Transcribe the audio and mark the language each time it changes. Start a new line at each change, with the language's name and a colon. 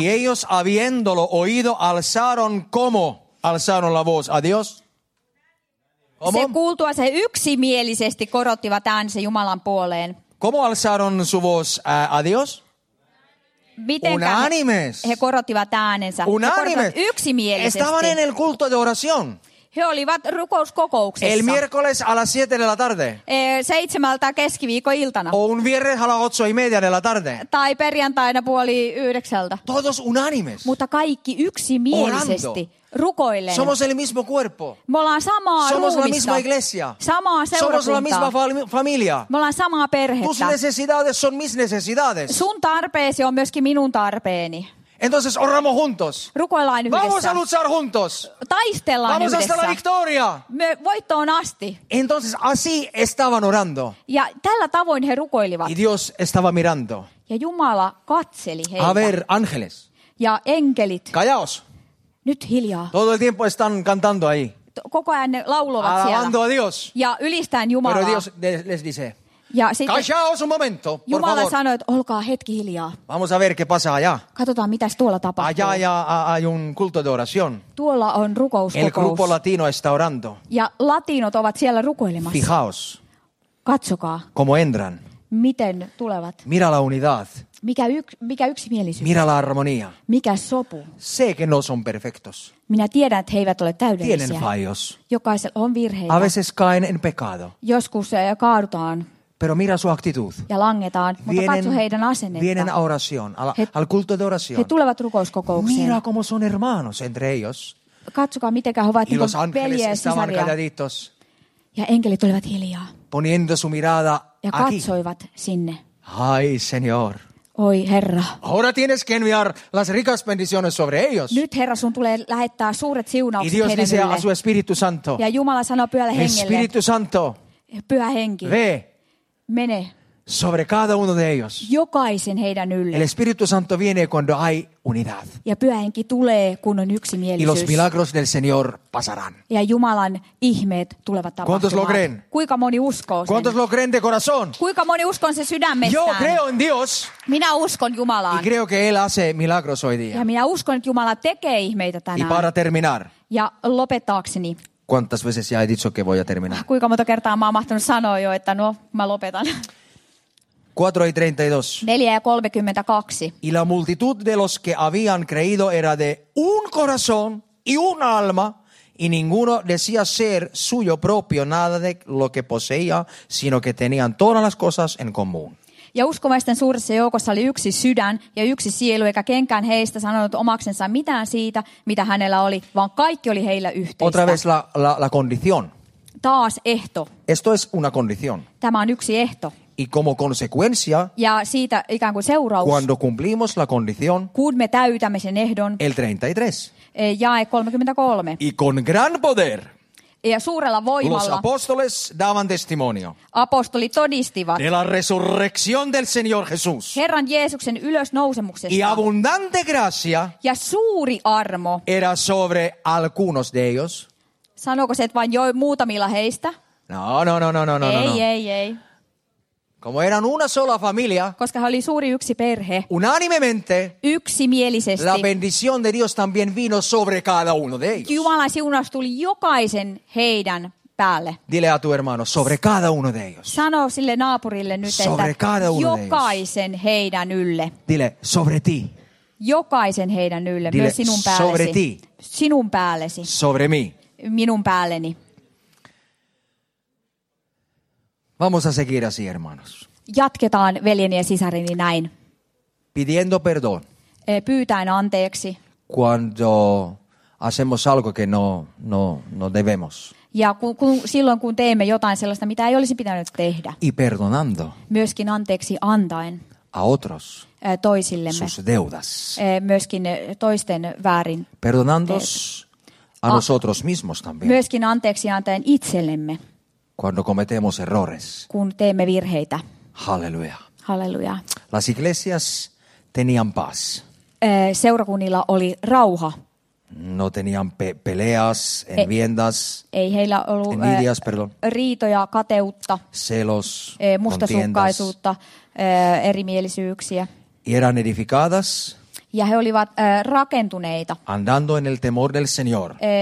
Spanish: Y ellos habiéndolo oído alzaron como alzaron la voz a Dios.
Finnish: Se kuultua se yksimielisesti korottivat äänensä Jumalan puoleen.
Spanish: Como alzaron su voz a Dios? Unánimes.
Finnish: He korottivat äänensä.
Spanish: Unánimes.
Finnish: Yksimielisesti.
Spanish: Estaban en el culto de oración.
Finnish: He olivat rukouskokouksessa.
Spanish: El miércoles a las 7 de la tarde.
Finnish: 7:00 keskiviikkoiltana.
Spanish: O un viernes a las 8:30 de la tarde.
Finnish: Tai perjantaina 8:30.
Spanish: Todos unánimes.
Finnish: Mutta kaikki yksimielisesti.
Spanish: Orando.
Finnish: Rukoilleen.
Spanish: Somos el mismo cuerpo.
Finnish: Me ollaan samaa
Spanish: Somos
Finnish: ruumissa.
Spanish: La misma iglesia.
Finnish: Samaa seurakuntaa.
Spanish: Somos la misma familia.
Finnish: Me ollaan samaa perhettä.
Spanish: Tus necesidades son mis necesidades.
Finnish: Sun tarpeesi on myöskin minun tarpeeni.
Spanish: Entonces oramos juntos.
Finnish: Rukoillaan yhdessä.
Spanish: Vamos a luchar juntos.
Finnish: Taistellaan
Spanish: Vamos Vamos hasta la victoria.
Finnish: Me voittoon asti.
Spanish: Entonces así estaban orando.
Finnish: Ja tällä tavoin he rukoilivat.
Spanish: Y Dios estaba mirando.
Finnish: Ja Jumala katseli heitä.
Spanish: A ver, ángeles.
Finnish: Ja enkelit.
Spanish: Callaos.
Finnish: Nyt hiljaa.
Spanish: Todo el tiempo están cantando ahí.
Finnish: Koko ajan ne laulovat siellä.
Spanish: Alabando a Dios.
Finnish: Ja ylistään Jumalaa.
Spanish: Pero Dios les dice.
Finnish: Ja sitten
Spanish: Callaos un momento, por
Finnish: Jumala
Spanish: favor.
Finnish: Sanoi, että olkaa hetki hiljaa.
Spanish: Vamos a ver qué pasa allá.
Finnish: Katsotaan, mitä tuolla tapahtuu.
Spanish: Allá ya hay un culto de oración.
Finnish: Tuolla on rukouskokous.
Spanish: El grupo latino está orando.
Finnish: Ja latinot ovat siellä rukoilemassa.
Spanish: Fijaos.
Finnish: Katsokaa.
Spanish: Como entran.
Finnish: Miten tulevat.
Spanish: Mira la unidad.
Finnish: Mikä yksimielisyys.
Spanish: Mira la armonía.
Finnish: Mikä sopu.
Spanish: Sé que no son perfectos.
Finnish: Minä tiedän, että he eivät ole täydellisiä.
Spanish: Tienen fallos.
Finnish: Jokaisella on virheitä.
Spanish: A veces caen en pecado.
Finnish: Joskus kaadutaan.
Spanish: Pero mira su actitud.
Finnish: Ja langetaan, mutta
Spanish: vienen,
Finnish: katso heidän asennetta.
Spanish: Vienen a oración, al culto de oración.
Finnish: He tulevat rukouskokoukseen.
Spanish: Mira como son hermanos entre ellos.
Finnish: Katsokaa, mitenkä he ovat niinku veljejä sisaria. Ja enkelit olivat hiljaa.
Spanish: Poniendo su mirada aquí.
Finnish: Ja katsoivat sinne.
Spanish: Ay, señor.
Finnish: Oi, Herra.
Spanish: Ahora tienes que enviar las ricas bendiciones sobre ellos.
Finnish: Nyt, Herra, sun tulee lähettää suuret siunaukset heidän ylle.
Spanish: Y Dios dice a su Espíritu Santo.
Finnish: Ja Jumala sanoo pyhälle hengelle.
Spanish: Espíritu Santo.
Finnish: Pyhä henki.
Spanish: Ve.
Finnish: Mene.
Spanish: Sobre cada uno de ellos.
Finnish: Jokaisen heidän ylle.
Spanish: El Espíritu Santo viene cuando hay unidad.
Finnish: Ja pyhä henki tulee, kun on yksimielisyys.
Spanish: Y los milagros del Señor pasarán.
Finnish: Ja Jumalan ihmeet tulevat tapahtumaan.
Spanish: ¿Cuántos lo creen?
Finnish: Kuinka moni uskoo sen?
Spanish: ¿Cuántos lo creen de corazón?
Finnish: Kuinka moni uskoo sen sydämestään?
Spanish: Yo creo en Dios.
Finnish: Minä uskon Jumalaan.
Spanish: Y creo que Él hace milagros hoy día.
Finnish: Ja minä uskon, että Jumala tekee ihmeitä tänään.
Spanish: Y para terminar.
Finnish: Ja lopettaakseni.
Spanish: ¿Cuántas veces ya he dicho que voy a terminar?
Finnish: Kuinka monta kertaa mä oon mahtunut sanoa jo, että no, mä lopetan.
Spanish: 4:32.
Finnish: 4:32.
Spanish: Y la multitud de los que habían creído era de un corazón y un alma, y ninguno decía ser suyo propio nada de lo que poseía, sino que tenían todas las cosas en común.
Finnish: Ja uskovaisten suuressa joukossa oli yksi sydän ja yksi sielu, eikä kenkään heistä sanonut omaksensa mitään siitä, mitä hänellä oli, vaan kaikki oli heillä yhteistä.
Spanish: Otra vez la condición.
Finnish: Taas ehto.
Spanish: Esto es una condición.
Finnish: Tämä on yksi ehto.
Spanish: Y como consecuencia,
Finnish: ja siitä ikään kuin seuraus,
Spanish: cuando cumplimos la condición,
Finnish: kun me täytämme sen ehdon,
Spanish: el 33,
Finnish: jae 33.
Spanish: Y con gran poder,
Finnish: ja suurella voimalla,
Spanish: los apóstoles daban testimonio,
Finnish: apostolit todistivat,
Spanish: de la resurrección del Señor Jesús,
Finnish: Herran Jeesuksen ylösnousemuksesta,
Spanish: y abundante gracia,
Finnish: ja suuri armo,
Spanish: era sobre algunos de ellos.
Finnish: Sanoko se, että vain jo muutamilla heistä?
Spanish: No.
Finnish: Ei.
Spanish: Como eran una sola familia,
Finnish: koska he oli suuri yksi perhe,
Spanish: unánimemente,
Finnish: yksimielisesti,
Spanish: la bendición de Dios también vino sobre cada uno de ellos.
Finnish: Jumalan siunaus tuli jokaisen heidän päälle.
Spanish: Dile a tu hermano, sobre cada uno de ellos.
Finnish: Sano sille naapurille nyt,
Spanish: sobre
Finnish: että
Spanish: cada uno
Finnish: jokaisen
Spanish: de
Finnish: heidän ylle.
Spanish: Dile, sobre ti.
Finnish: Jokaisen heidän ylle,
Spanish: dile,
Finnish: myös sinun päällesi.
Spanish: Sobre ti.
Finnish: Sinun päällesi.
Spanish: Sobre mi.
Finnish: Minun päälleni.
Spanish: Vamos a seguir así, hermanos.
Finnish: Jatketaan veljeni ja sisareni näin.
Spanish: Pidiendo perdón.
Finnish: Pyytäen anteeksi.
Spanish: Cuando hacemos algo que no debemos.
Finnish: Ja silloin kun teemme jotain sellaista, mitä ei olisi pitänyt tehdä.
Spanish: Y perdonando.
Finnish: Myöskin anteeksi antaen.
Spanish: A otros.
Finnish: Toisillemme.
Spanish: Sus deudas.
Finnish: Myöskin toisten väärin.
Spanish: Perdonandos a nosotros mismos también.
Finnish: Myöskin anteeksi antaen itsellemme.
Spanish: Cuando cometemos errores.
Finnish: Kun teemme virheitä.
Spanish: Halleluja.
Finnish: Halleluja.
Spanish: Las iglesias tenían paz.
Finnish: Seurakunnilla oli rauha.
Spanish: No tenían peleas, enviendas.
Finnish: Ei heillä ollut
Spanish: envidias, perdón.
Finnish: Riitoja, kateutta.
Spanish: Celos,
Finnish: mustasukkaisuutta, erimielisyyksiä.
Spanish: Y eran edificadas.
Finnish: Ja he olivat rakentuneita.
Spanish: Andando en el temor del Señor.